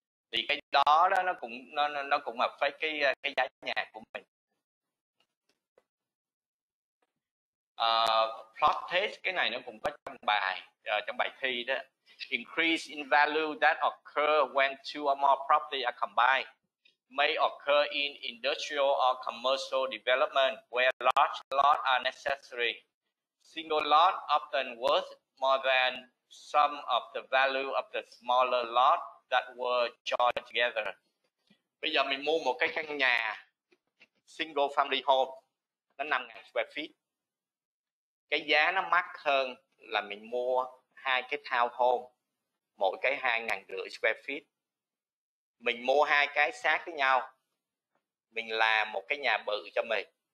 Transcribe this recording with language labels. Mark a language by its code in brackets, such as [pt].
[vi] Thì cái đó nó cũng affect cái giá nhà của mình. Plot test, cái này nó cũng có trong bài thi đó. [en] Increase in value that occur when two or more property are combined. may occur in industrial or commercial development where large lots are necessary. Single lot often worth more than some of the value of the smaller lot that were joined together. [vi] Bây giờ mình mua một cái căn nhà single family home nó 5.000 square feet. Cái giá nó mắc hơn là mình mua hai cái townhome mỗi cái 2.500 square feet. Mình mua hai cái sát với nhau. Mình làm một cái nhà bự cho mình.